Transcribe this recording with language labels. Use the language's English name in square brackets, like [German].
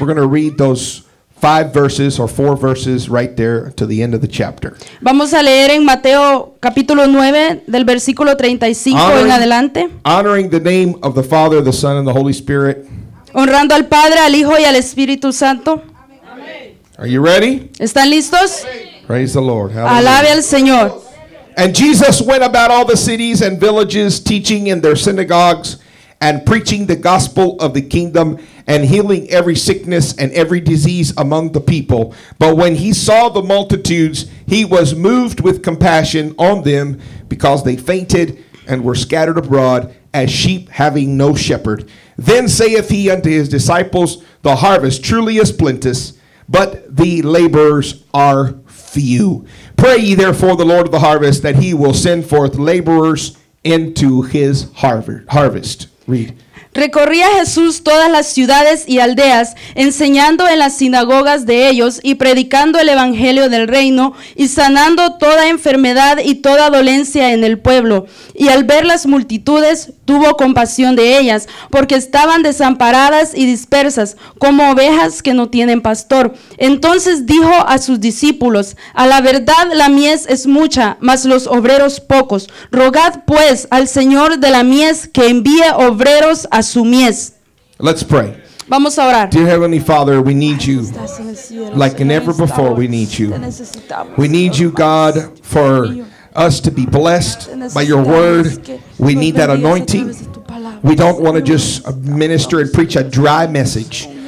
[English] We're going to read those 5 verses or 4 verses right there to the end of the chapter. [Spanish] Vamos a leer en Mateo capítulo 9 del versículo 35 en adelante. [English] Honoring the name of the Father, the Son and the Holy Spirit. [Spanish] Honrando al Padre, al Hijo y al Espíritu Santo. Amén. [English] Are you ready? [Spanish] ¿Están listos? [English] Praise the Lord. [Spanish] Alabe al Señor. [English] And Jesus went about all the cities and villages teaching in their synagogues and preaching the gospel of the kingdom and healing every sickness and every disease among the people. But when he saw the multitudes, he was moved with compassion on them because they fainted and were scattered abroad as sheep having no shepherd. Then saith he unto his disciples, the harvest truly is plenteous, but the laborers are few. Pray ye therefore the Lord of the harvest that he will send forth laborers into his harvest. Read. [Spanish] Recorría Jesús todas las ciudades y aldeas, enseñando en las sinagogas de ellos y predicando el evangelio del reino y sanando toda enfermedad y toda dolencia en el pueblo. Y al ver las multitudes, tuvo compasión de ellas, porque estaban desamparadas y dispersas, como ovejas que no tienen pastor. Entonces dijo a sus discípulos, a la verdad la mies es mucha, mas los obreros pocos. Rogad pues al Señor de la mies que envíe obreros a su mies. [English] Let's pray. [Spanish] Vamos a orar. [English] Dear Heavenly Father, we need you like never before. We need you. We need you, God, for us to be blessed by your word. We need that anointing. We don't want to just minister and preach a dry message.